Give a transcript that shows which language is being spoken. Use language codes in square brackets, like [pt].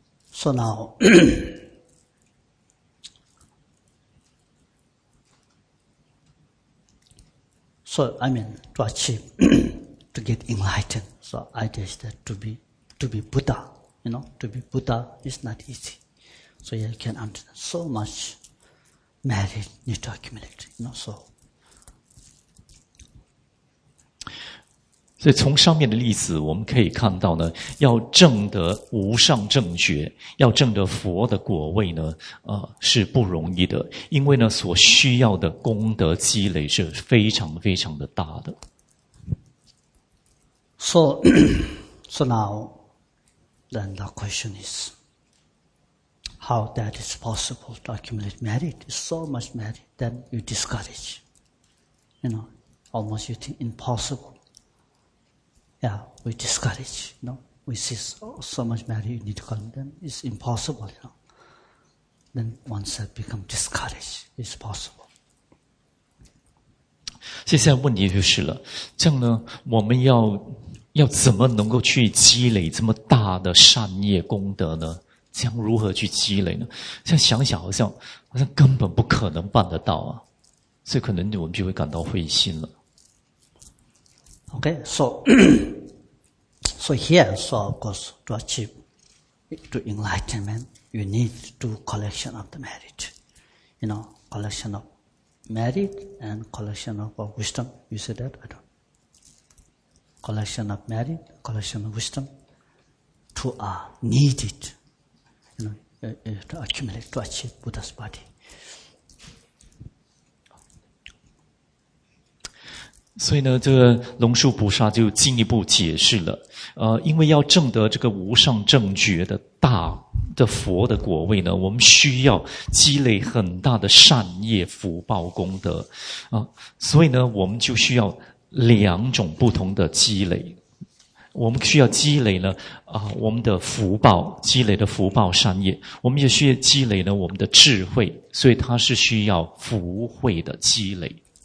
[en] So now, to achieve, to get enlightened, so idea is that to be Buddha, you know, to be Buddha is not easy. So you can understand so much merit need to accumulate, you know, so. [zh] 所以从上面的例子我们可以看到呢，要证得无上正觉，要证得佛的果位呢，是不容易的，因为呢所需要的功德积累是非常非常的大的。 [en] So now, then the question is, how that is possible to accumulate merit? So much merit, then you discourage. You know, almost you think impossible. Yeah, we discourage, you know. We see so much merit you need to come, then it's impossible, you know. Then oneself become discouraged, it's possible. [zh] 现在问题就是了，这样呢，我们要怎么能够去积累这么大的善业功德呢？将如何去积累呢？现在想想好像根本不可能办得到啊，所以可能我们就会感到灰心了。 [en] Okay, so here, of course, to achieve, to enlightenment, you need to collection of the merit. You know, collection of merit and collection of wisdom. You say that? I don't. Collection of merit, collection of wisdom, to need it, you know, to accumulate, to achieve Buddha's body. [zh] 所以呢，这个龙树菩萨就进一步解释了，因为要证得这个无上正觉的大的佛的果位呢，我们需要积累很大的善业福报功德，所以呢，我们就需要两种不同的积累，我们需要积累呢，我们的福报，积累的福报善业，我们也需要积累呢我们的智慧，所以它是需要福慧的积累。